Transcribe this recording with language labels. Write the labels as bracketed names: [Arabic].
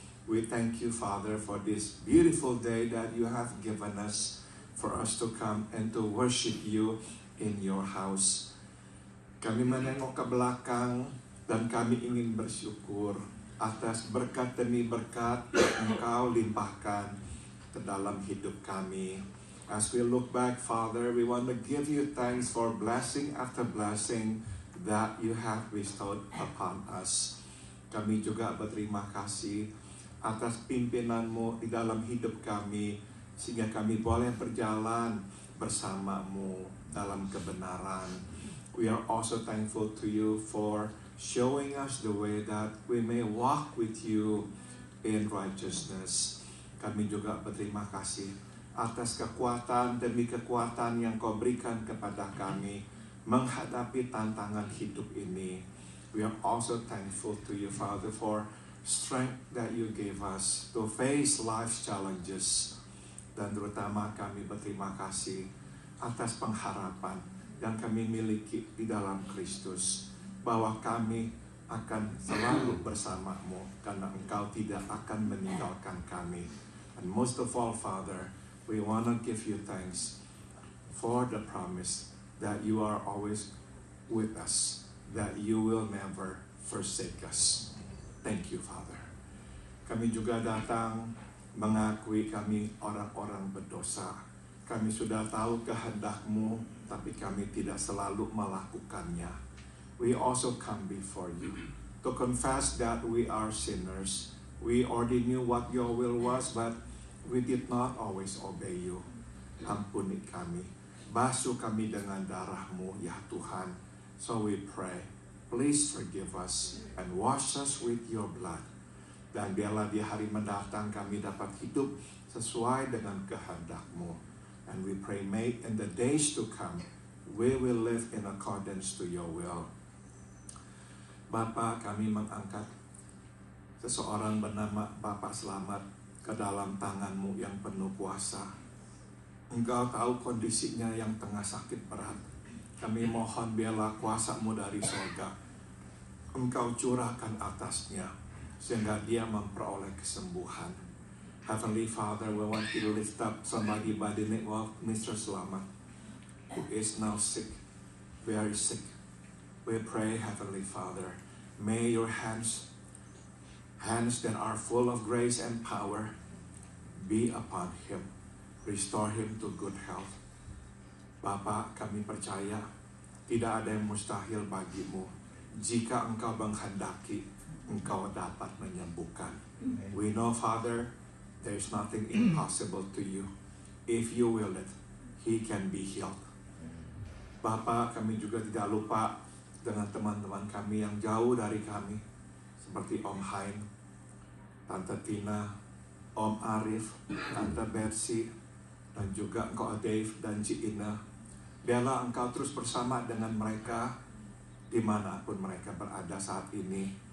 [English] We thank You, Father, for this beautiful day that You have given us for us to come and to worship You in Your house. [Indonesian] Kami menengok ke belakang dan kami ingin bersyukur atas berkat demi berkat yang Engkau limpahkan ke dalam hidup kami. [English] As we look back, Father, we want to give You thanks for blessing after blessing that You have bestowed upon us. [Indonesian] Kami juga berterima kasih atas pimpinan-Mu di dalam hidup kami, sehingga kami boleh berjalan bersama-Mu dalam kebenaran. [English] We are also thankful to You for showing us the way that we may walk with You in righteousness. [Indonesian] Kami juga berterima kasih atas kekuatan demi kekuatan yang Kau berikan kepada kami menghadapi tantangan hidup ini. [English] We are also thankful to You, Father, for strength that You gave us to face life's challenges. [Indonesian] Dan terutama kami berterima kasih atas pengharapan yang kami miliki di dalam Kristus. bahwa kami akan selalu bersama-Mu, karena Engkau tidak akan meninggalkan kami. [English] And most of all, Father, we want to give You thanks for the promise that You are always with us, that You will never forsake us. Thank You, Father. [Indonesian] Kami juga datang mengakui kami orang-orang berdosa. Kami sudah tahu kehendak-Mu, tapi kami tidak selalu melakukannya. [English] We also come before You to confess that we are sinners. We already knew what Your will was, but we did not always obey You. [Indonesian] Ampuni kami. Basuh kami dengan darah-Mu, ya Tuhan. [English] So we pray, please forgive us and wash us with Your blood. [Indonesian] Dan biarlah di hari mendatang kami dapat hidup sesuai dengan kehendak-Mu. [English] And we pray, may in the days to come, we will live in accordance to Your will. [Indonesian] Bapa, kami mengangkat seseorang bernama Bapa Selamat ke dalam tangan-Mu yang penuh kuasa. Engkau tahu kondisinya yang tengah sakit berat. Kami mohon biarlah kuasa-Mu dari surga Engkau curahkan atasnya sehingga dia memperoleh kesembuhan. [English] Heavenly Father, we want to lift up somebody by the name of Mr. Selamat, who is now sick, very sick. We pray, Heavenly Father, may Your hands that are full of grace and power, be upon him. Restore him to good health. [Indonesian] Bapa, kami percaya tidak ada yang mustahil bagi-Mu. Jika Engkau menghendaki, Engkau dapat menyembuhkan. [English] We know, Father, there is nothing impossible to You. If You will it, He can be healed. [Indonesian] Bapa, kami juga tidak lupa dengan teman-teman kami yang jauh dari kami, seperti Om Haim, Tante Tina, Om Arif, Tante Betsy, dan juga Engkau Dave dan Ci Ina. Biarlah Engkau terus bersama dengan mereka dimanapun mereka berada saat ini.